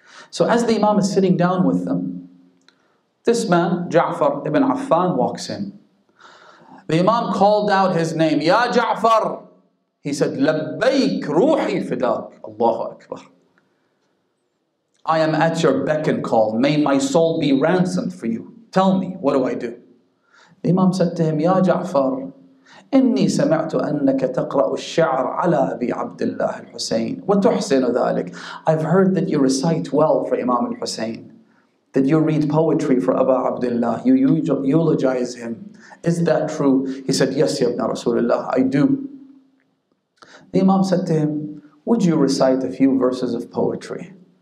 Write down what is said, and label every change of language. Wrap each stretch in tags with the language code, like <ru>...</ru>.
<en>So as the Imam is sitting down with them, this man, Ja'far ibn Affan, walks in. The Imam called out his name, Ya Ja'far! He said,</en> <ar>Labbaik ruhi fidak,</ar> <en>Allahu Akbar. I am at your beck and call. May my soul be ransomed for you. Tell me, what do I do? The Imam said to him, Ya Ja'far,</en> <ar>إني سمعت أنك تقرأ الشعر على أبي عبد الله الحسين وتحسن ذلك.</ar> <en>I've heard that you recite well for Imam al-Hussein, that you read poetry for Aba Abdullah, you eulogize him. Is that true? He said, Yes, Ya Ibn Rasulullah, I do. The Imam said to him, Would you recite a few verses of poetry?</en>